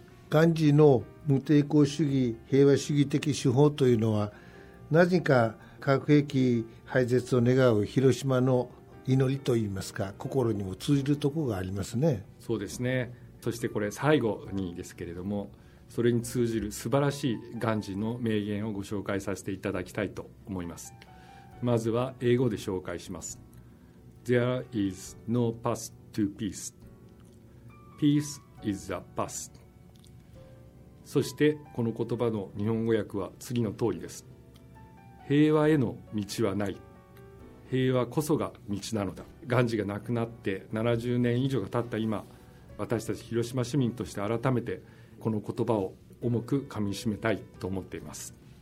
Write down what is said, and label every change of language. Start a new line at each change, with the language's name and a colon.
Japanese: ガンジーの無抵抗主義平和主義的手法というのは、なぜか核兵器廃絶を願う広島の祈りといいますか、心にも通じるところがありますね。そうですね、そしてこれ最後にですけれども、それに通じる素晴らしいガンジーの名言をご紹介させていただきたいと思います。まずは英語で紹介します。
English: There is no path to peace. Peace is the path.
Japanese: そしてこの言葉の日本語訳は次の通りです。平和への道はない、平和こそが道なのだ。ガンジーが亡くなって70年以上が経った今、私たち広島市民として改めてこの言葉を重く噛みしめたいと思っています。